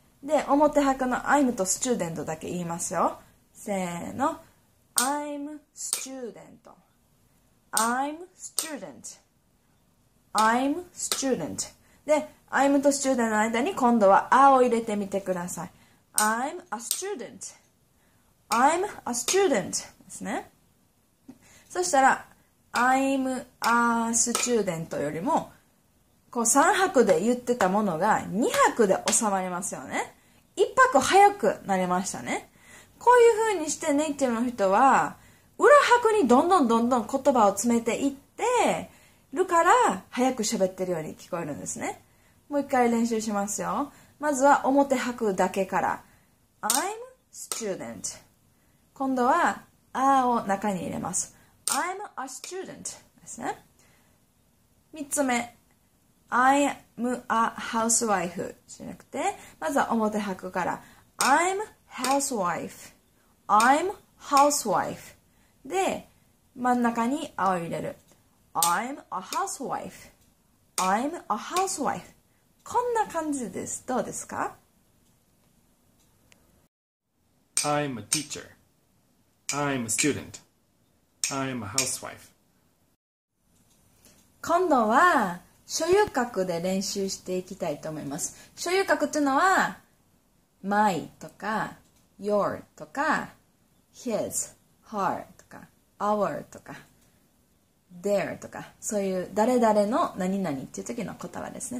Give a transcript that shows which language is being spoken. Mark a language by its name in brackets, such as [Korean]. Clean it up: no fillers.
[Japanese] で、表拍の I'm とスチューデントだけ言いますよ。せーの、 [English] I'm student I'm student I'm student [Japanese] で、 I'm とスチューデントの間に今度はあを入れてみてください。 [English] I'm a student I'm a student [Japanese] ですね。そしたら [English] I'm a student [Japanese] よりも、こう3拍で言ってたものが2拍で収まりますよね。 1拍早くなりましたね。こういう風にしてネイティブの人は、裏拍にどんどんどんどん言葉を詰めていってるから、早く喋ってるように聞こえるんですね。もう一回練習しますよ。まずは表拍だけから。 [English] I'm student。 [Japanese] 今度は、あを中に入れます。 [English] I'm a student [Japanese] ですね。 3つ目、 I'm a housewife じゃなくて、まずは表拍から、 [English] I'm housewife I'm housewife [Japanese] で、真ん中にあを入れる。 [English] I'm a housewife I'm a housewife。 [Japanese] こんな感じです。どうですか？ [English] I'm a teacher I'm a studentI'm a housewife. [Japanese] 今度は所有格で練習していきたいと思います。所有格っていうのは my とか your とか his, her とか our とか their とか、そういう誰々の何々っていう時の言葉ですね。